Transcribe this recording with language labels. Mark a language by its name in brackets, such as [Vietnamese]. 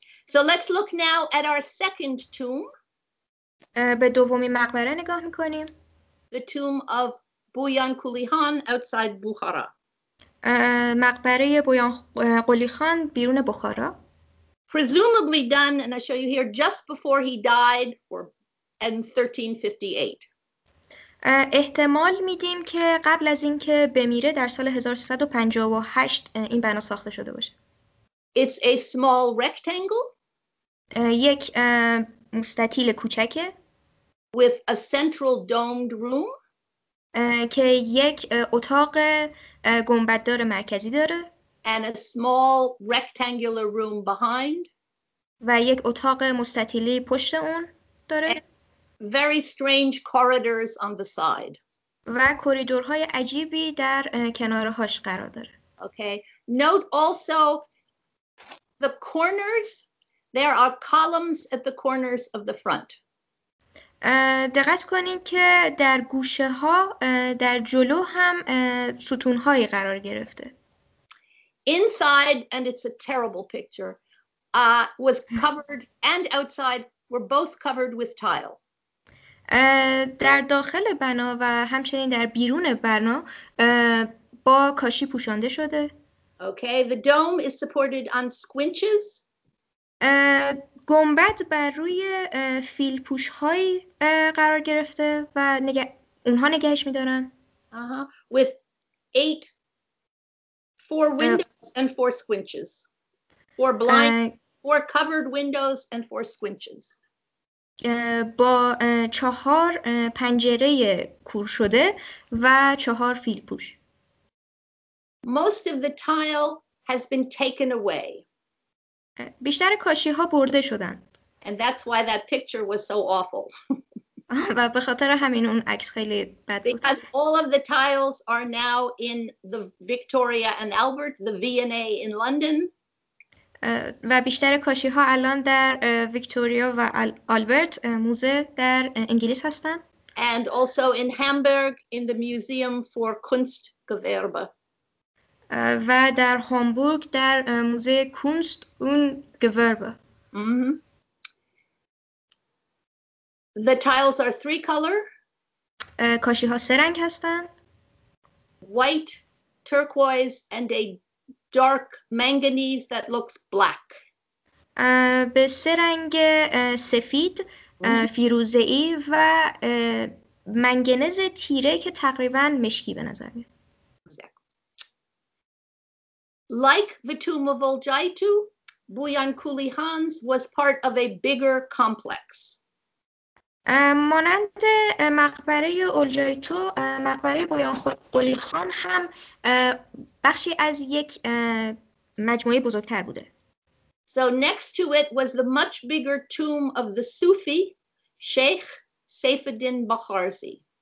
[English] So let's look now at our second tomb. [Persian] به دومی مقبره نگاه میکنیم. [English] The tomb of Buyan Quli Khan outside Bukhara. [Persian] مقبره بویان قلیخان بیرون بخارا. [English] Presumably done, and I show you here, just before he died, or in 1358. [Persian] احتمال میدیم که قبل از اینکه بمیره در سال 1358 این بنا ساخته شده باشه. [English] It's a small rectangle. [Persian] یک مستطیل کوچکه. [English] With a central domed room. [Persian] که یک اتاق گنبددار مرکزی داره. [English] And a small rectangular room behind. [Persian] و یک اتاق مستطیلی پشت اون داره. [English] And very strange corridors on the side. [Persian] و کوریدورهای عجیبی در کنارهاش قرار داره. [English] Okay. Note also the corners. There are columns at the corners of the front. [Persian] دقت کنین که در گوشه ها در جلو هم ستونهایی قرار گرفته. [English] Inside, and it's a terrible picture, was covered, and outside, were both covered with tile. [Persian] در داخل بنا و همچنین در بیرون بنا با کاشی پوشانده شده. [English] Okay, the dome is supported on squinches. [Persian] گنبد بر روی فیل پوش های قرار گرفته و اونها نگهش می‌دارن. [English] With 8 4 windows and 4 squinches. 4 blind 4 covered windows and 4 squinches. [Persian] با 4 پنجره کور شده و 4 فیل پوش. [English] Most of the tile has been taken away. [Persian] بیشتر کاشی ها برده شدند. [English] And that's why that picture was so awful. [Persian] و به خاطر همین اون عکس خیلی بد بود. [English] Because all of the tiles are now in the Victoria and Albert, the V&A in London. [Persian] و بیشتر کاشی ها الان در ویکتوریا و آلبرت موزه در انگلیس هستن. [English] And also in Hamburg in the Museum for Kunstgewerbe. [Persian] و در هامبورگ در موزه کونست اون گورب. [English] The tiles are three color. [Persian] کاشی ها سه رنگ هستند. [English] White, turquoise and a dark manganese that looks black. [Persian] به سه رنگ سفید، فیروزه‌ای و منگنز تیره که تقریبا مشکی به نظر میاد. [English] Like the tomb of Olgaitu, Buyankuli Hans was part of a bigger complex. [Persian] مانند مقبره اولجایتو، مقبره بویانکولی خان هم بخشی از یک مجموعه بزرگتر بوده. [English] So next to it was the much bigger tomb of the Sufi Sheikh Saifuddin Bakhrizi.